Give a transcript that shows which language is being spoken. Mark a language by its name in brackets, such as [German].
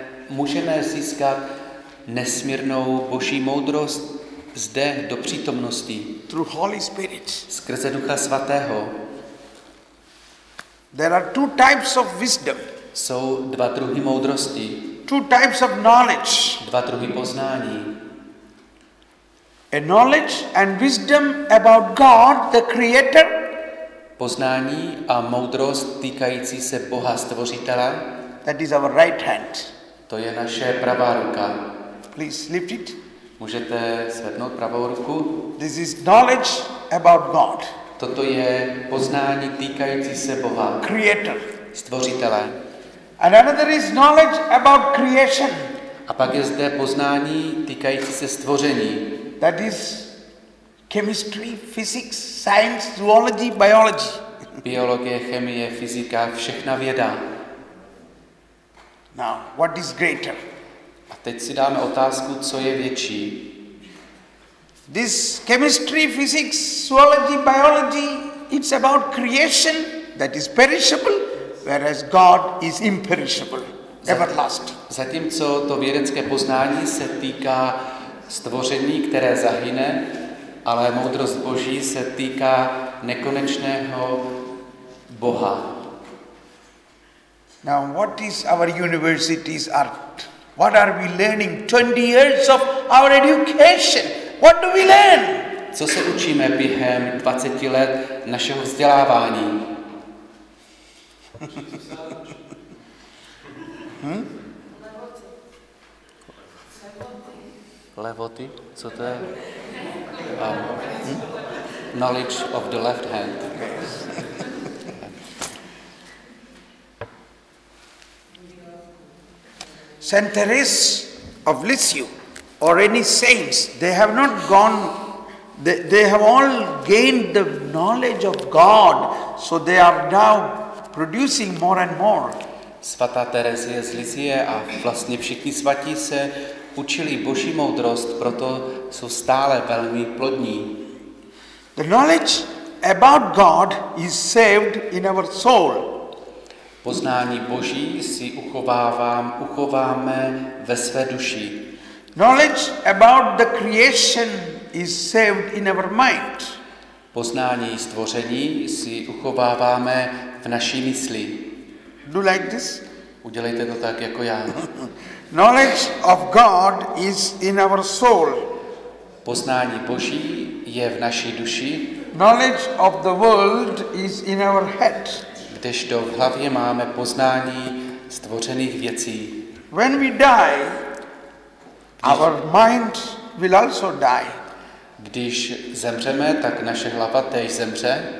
[Czech] Můžeme získat nesmírnou boží moudrost zde do přítomnosti. [English] Through Holy Spirit. [Czech] Skrze Ducha svatého. [English] There are two types of wisdom. [Czech] Jsou dva druhy moudrosti. [English] Two types of knowledge. [Czech] Dva druhy poznání. [English] A knowledge and wisdom about God, the Creator. [Czech] Poznání a moudrost týkající se Boha Stvořitele. [English] That is our right hand. [Czech] To je naše pravá ruka. [English] Please lift it. [Czech] Můžete zvednout pravou ruku. [English] This is knowledge about God. [Czech] Toto je poznání týkající se Boha. [English] Creator. [Czech] Stvořitele. [English] And another is knowledge about creation. [Czech] A pak je zde poznání týkající se stvoření. [English] That is chemistry, physics, science, zoology, biology. [Czech] Biologie, chemie, fyzika, všechna věda. [English] Now, what is greater? [Czech] A teď si dáme otázku, co je větší. [English] This chemistry, physics, zoology, biology, it's about creation that is perishable. Whereas God is imperishable, everlasting. [Czech] Zatímco to vědecké poznání se týká stvoření, které zahyne, ale moudrost Boží se týká nekonečného Boha. [English] Now, what is our university's art? What are we learning? 20 years of our education. What do we learn? [Czech] Co se učíme během 20 let našeho vzdělávání? Levoty? Co to je? [English] Knowledge of the left hand. Saint Therese of Lisieux or any saints, they have not gone, they have all gained the knowledge of God, so they are now producing more and more. [Czech] Svatá Terezie z Lisie a vlastně všichni svatí se učili boží moudrost, proto jsou stále velmi plodní. [English] The knowledge about God is saved in our soul. [Czech] Poznání boží si uchováme ve své duši. [English] Knowledge about the creation is saved in our mind. [Czech] Poznání stvoření si uchováváme v naší mysli. [English] Do like this. [Czech] Udělejte to tak jako já. [English] Knowledge of God is in our soul. [Czech] Poznání Boží je v naší duši. [English] Knowledge of the world is in our head. [Czech] Kdežto v hlavě máme poznání stvořených věcí. [English] When we die, our mind will also die. [Czech] Když zemřeme, tak naše hlava též zemře.